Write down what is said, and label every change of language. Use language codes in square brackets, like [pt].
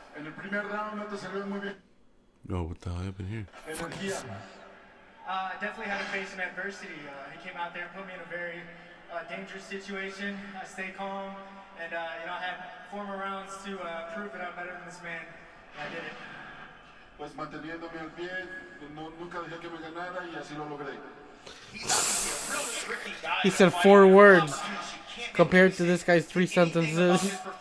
[en] In the [es] primer round, no te salió muy bien. [en] Oh, what the hell happened here? Definitely had to face some adversity. He came out there and put me in a very dangerous situation. I stay calm, and you know, I have four more rounds to prove that I'm better than this man. And I did it. [es] Pues manteniéndome al pie, no, nunca dejé que me ganara, y así lo logré. [en] He said four words compared to this guy's three sentences.